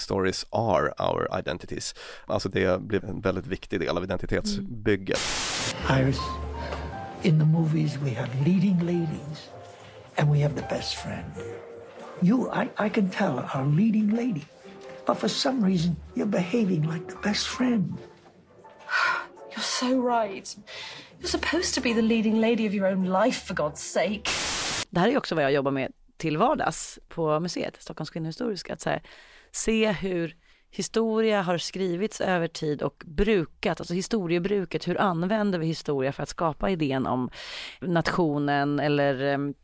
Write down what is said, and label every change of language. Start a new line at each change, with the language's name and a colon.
English: Stories are our identities.
Swedish: Alltså det blir en väldigt viktig del av identitetsbygget.
English: Iris, in the movies we have leading ladies and we have the best friend. You, I can tell, are leading lady. But for some reason, you're behaving like the best friend. You're so right. You're supposed to be the leading lady of your own life, for God's sake.
Swedish: Det här är också vad jag jobbar med till vardags på museet, Stockholms kvinnohistoriska. Att så här, se hur historia har skrivits över tid och brukat, alltså historiebruket, hur använder vi historia för att skapa idén om nationen eller...